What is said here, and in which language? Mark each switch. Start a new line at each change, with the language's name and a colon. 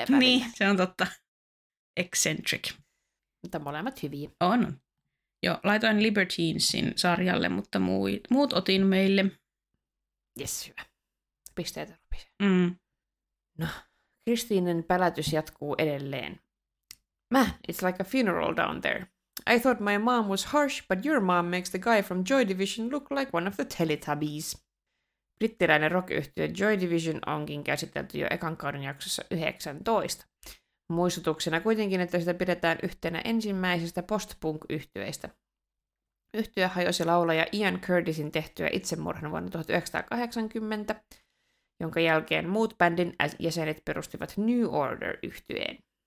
Finnish: välillä. Niin, se on totta. Eccentric. Mutta molemmat hyviä. On. Joo, laitoin Libertinesin sarjalle, mutta muut otin meille. Jes, hyvä. Pisteet rupisi. Mm. No, Kristiinen pälätys jatkuu edelleen.
English: It's like a funeral down there. I thought my mom was harsh, but your mom makes the guy from Joy Division look like one of the Teletubbies.
Finnish: Brittiläinen rock-yhtiö Joy Division onkin käsitelty jo ekan kauden jaksossa 19. Muistutuksena kuitenkin, että sitä pidetään yhtenä ensimmäisistä post-punk-yhtyeistä. Yhtyö hajosi laulaja Ian Curtisin tehtyä itsemurhan vuonna 1980, jonka jälkeen muut bändin jäsenet perustivat New Order-yhtyeen.